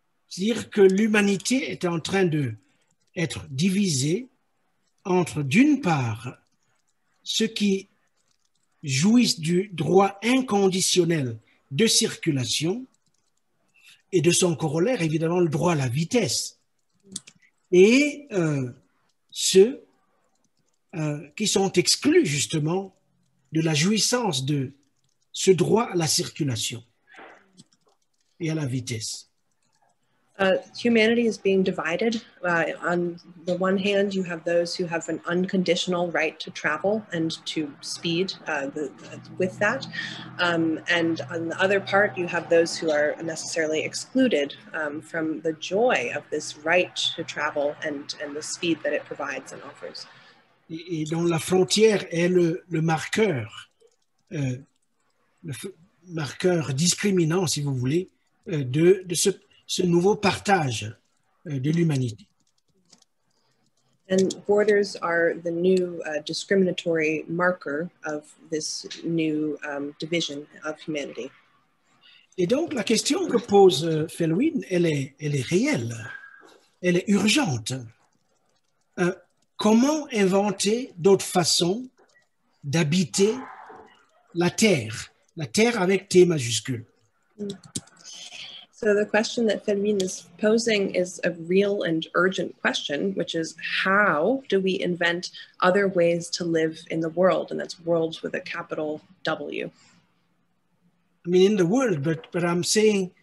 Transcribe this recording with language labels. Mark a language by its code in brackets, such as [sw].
[fr] Dire que l'humanité est en train de être divisée entre, d'une part, ceux qui jouissent du droit inconditionnel de circulation et de son corollaire, évidemment, le droit à la vitesse, et ceux qui sont exclus, justement, de la jouissance de ce droit à la circulation et à la vitesse. [en] Humanity is being divided. On the one hand, you have those who have an unconditional right to travel and to speed with that. And on the other part, you have those who are necessarily excluded from the joy of this right to travel and the speed that it provides and offers. [fr] Et dont la frontière est le marqueur, marqueur discriminant, si vous voulez, de ce ce nouveau partage de l'humanité. [en] And borders are the new discriminatory marker of this new division of humanity. [fr] Et donc la question que pose Felwine, elle est réelle, elle est urgente. Comment inventer d'autres façons d'habiter la Terre avec T majuscule? [en] So the question that Felwine is posing is a real and urgent question, which is how do we invent other ways to live in the world? And that's worlds with a capital W. I mean in the world, but I'm saying...